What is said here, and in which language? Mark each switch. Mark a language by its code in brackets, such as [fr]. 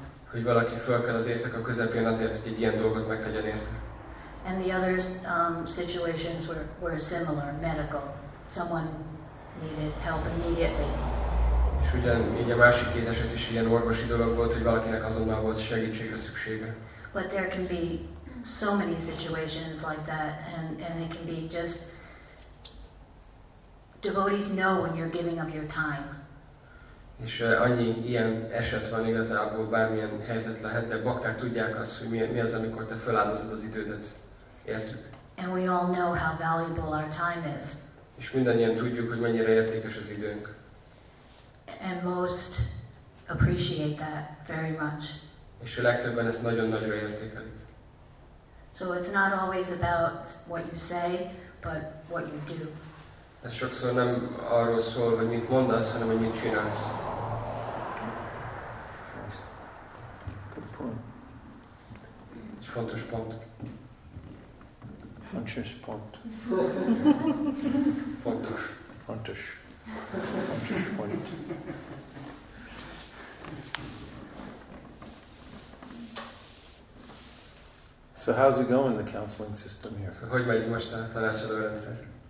[hu] Hogy valaki föl kell az éjszaka közepén azért, hogy egy ilyen dolgot megtegyen érte. [en] And the other situations were similar, medical. Someone needed help immediately. [hu] És ugyanígy a másik két eset is ilyen orvosi dolog volt, hogy valakinek azonnal volt segítségre szüksége. [en] But there can be so many situations like that, and it can be just devotees know when you're giving of your time. [hu] És annyi ilyen eset van igazából, bármilyen helyzet lehet, de bakták tudják azt, hogy mi az, amikor te feláldozod az idődet, értük. [en] And we all know how valuable our time is. [hu] És mindannyian tudjuk, hogy mennyire értékes az időnk. [en] And most appreciate that very much. [hu] És a legtöbben ezt nagyon-nagyon értékelik. [en] So it's not always about what you say, but what you do. [hu] Ez sokszor nem arról szól, hogy mit mondasz, hanem hogy mit csinálsz. [en] Good point. [hu] Egy fontos pont. Fontos pont. Fontos. Fontos. Fontos pont. [en] So how's it going, the counseling system here? [hu] So hogy megy most a tanácsadó rendszer?